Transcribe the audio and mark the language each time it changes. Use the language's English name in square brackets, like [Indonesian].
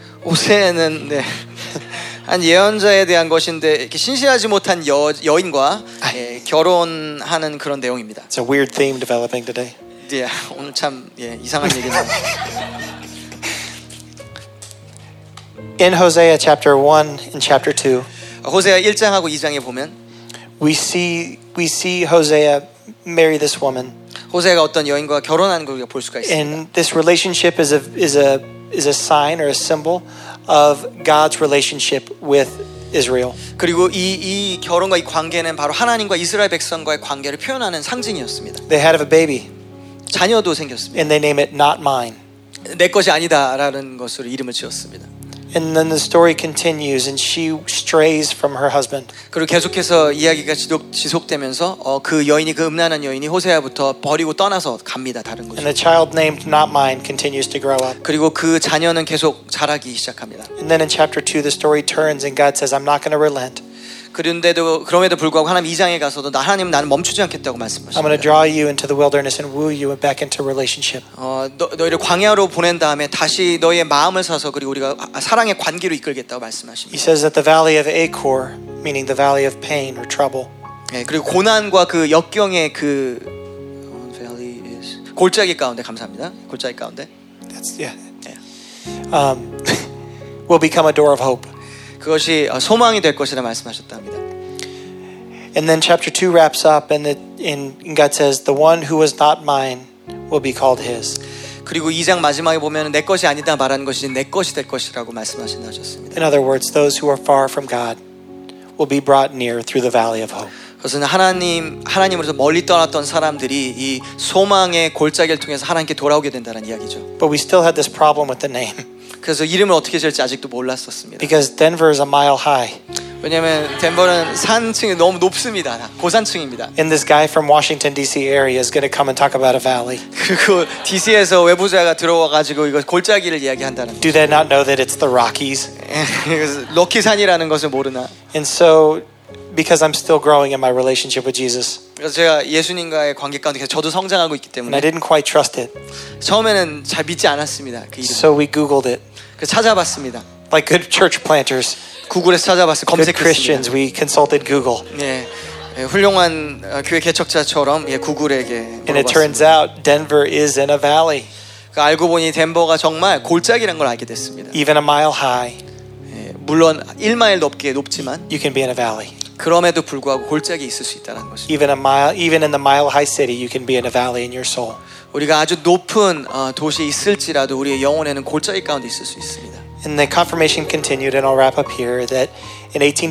[Korean] 호세아는 네, 한 예언자에 대한 것인데 이렇게 신실하지 못한 여인과 예, 결혼하는 그런 내용입니다. [English] It's a weird theme developing today. [Korean] Yeah, 오늘 참 예, 이상한 얘기네요. [English] In Hosea chapter 1 and chapter 2. [Korean] 호세아 1장하고 2장에 보면 [English] we see Hosea marry this woman. [Korean] 호세아가 어떤 여인과 결혼하는 걸 볼 수가 있습니다. [English] And this relationship is a sign or a symbol of God's relationship with Israel. [Korean] 그리고 이 결혼과 이 관계는 바로 하나님과 이스라엘 백성과의 관계를 표현하는 상징이었습니다. [English] They had a baby. [Korean] 자녀도 생겼습니다. [English] And they name it not mine. [Korean] 내 것이 아니다라는 것으로 이름을 지었습니다. [English] And then the story continues and she strays from her husband. [Korean] 그리고 계속해서 이야기가 지속되면서 그 여인이 그 음란한 여인이 호세아부터 버리고 떠나서 갑니다. 다른 곳으로. [English] And the child named Not Mine continues to grow up. [Korean] 그리고 그 자녀는 계속 자라기 시작합니다. [English] And then in chapter 2 the story turns and God says I'm not going to relent. [Korean] 그런데도 그럼에도 불구하고 하나님 2장에 가서도 하나님은 나는 멈추지 않겠다고 말씀하십니다. [English] I'm going to draw you into the wilderness and woo you back into relationship. [Korean] 너희를 광야로 보낸 다음에 다시 너희의 마음을 사서 그리고 우리가 사랑의 관계로 이끌겠다고 말씀하십니다. [English] He says that the valley of Achor, meaning the valley of pain or trouble. [Korean] 예, 그리고 고난과 그 역경의 그 [English] valley is [Korean] 골짜기 가운데 감사합니다. 골짜기 가운데. [English] That's yeah. will become a door of hope. [Korean] 그것이 소망이 될 것이라 말씀하셨답니다. [English] And then chapter 2 wraps up and in God says the one who was not mine will be called his. [Korean] 그리고 2장 마지막에 보면 내 것이 아니다 말하는 것이 내 것이 될 것이라고 말씀하셨습니다. [English] In other words, those who are far from God will be brought near through the valley of hope. [Korean] 그것은 하나님으로서 멀리 떠났던 사람들이 이 소망의 골짜기를 통해서 하나님께 돌아오게 된다는 이야기죠. [English] But we still had this problem with the name. [Korean] 그래서 이름을 어떻게 지을지 아직도 몰랐었습니다. [English] Because Denver is a mile high. [Korean] 왜냐면 덴버는 산층이 너무 높습니다. 고산층입니다. [English] And this guy from Washington D.C. area is going to come and talk about a valley. [Korean] 그리고 D.C.에서 외부자가 들어와 가지고 이거 골짜기를 이야기한다는. [English] Do they not know that it's the Rockies? [Korean] 로키산이라는 것을 모르나? [English] And so, because I'm still growing in my relationship with Jesus. [Korean] 그래서 제가 예수님과의 관계 가운데 계속 저도 성장하고 있기 때문에 [English] I didn't quite trust it. [Korean] 처음에는 잘 믿지 않았습니다. 그 이름. [English] So we googled it. [Korean] 그 찾아봤습니다. [English] Like good church planters. [Korean] 구글에서 찾아봤어요. 검색했습니다. [English] Good Christians, we consulted Google. [Korean] 예. 예, 훌륭한 교회 개척자처럼 예, 구글에게 [English] And it turns out Denver is in a valley. [Korean] 그 알고 보니 덴버가 정말 골짜기란 걸 알게 됐습니다. [English] Even a mile high. [Korean] 물론 1마일 높게 높지만 [English] you can be in a valley. [Korean] 그럼에도 불구하고 골짜기 있을 수 있다는 것이. [English] Even a mile even in the mile high city you can be in a valley in your soul. [Korean] 우리가 아주 높은 도시에 있을지라도 우리의 영혼에는 골짜기 가운데 있을 수 있습니다. [English] And the confirmation continued and I'll wrap up here that in